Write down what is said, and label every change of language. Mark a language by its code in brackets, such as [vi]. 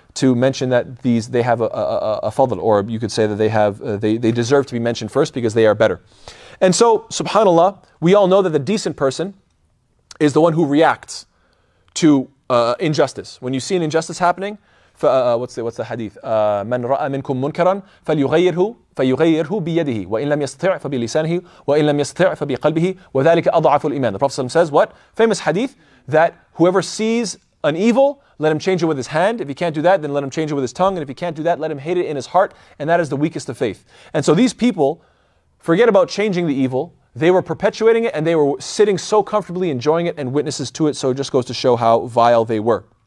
[en] To mention that these, they have a fadl, or you could say that they have they deserve to be mentioned first because they are better. And so, subhanAllah, we all know that the decent person is the one who reacts to injustice. When you see an injustice happening, what's the hadith? [ar] مَنْ رَأَى مِنْكُم مُنْكَرًا فَلْيُغَيِّرْهُ بِيَدِهِ وَإِنْ لَمْ يَسْتَطِعْ فَبِلِسَانِهِ وَإِنْ لَمْ يَسْتَطِعْ فَبِقَلْبِهِ وَذَلِكَ أَضْعَفُ الْإِيمَانِ. [en] The Prophet says what? Famous hadith that whoever sees an evil, let him change it with his hand. If he can't do that, then let him change it with his tongue. And if he can't do that, let him hate it in his heart. And that is the weakest of faith. And so these people, forget about changing the evil. They were perpetuating it, and they were sitting so comfortably enjoying it and witnesses to it. So it just goes to show how vile they were.